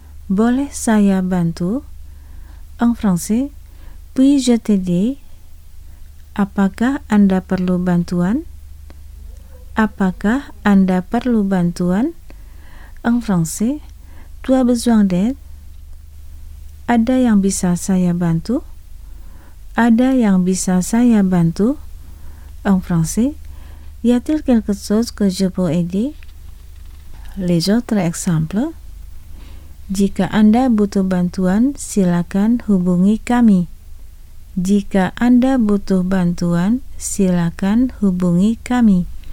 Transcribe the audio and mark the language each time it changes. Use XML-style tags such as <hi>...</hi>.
<id>Boleh saya bantu?</id> <fr>En français, puis-je t'aider?</fr> <id>Apakah Anda perlu bantuan? Apakah Anda perlu bantuan?</id> <fr>En français, tu as besoin d'aide?</fr> <id>Ada yang bisa saya bantu? Ada yang bisa saya bantu?</id> <fr>En français, y a-t-il quelque chose que je peux aider? Les autres exemples.</fr> <id>Jika Anda butuh bantuan, silakan hubungi kami. Jika Anda butuh bantuan, silakan hubungi kami.</id>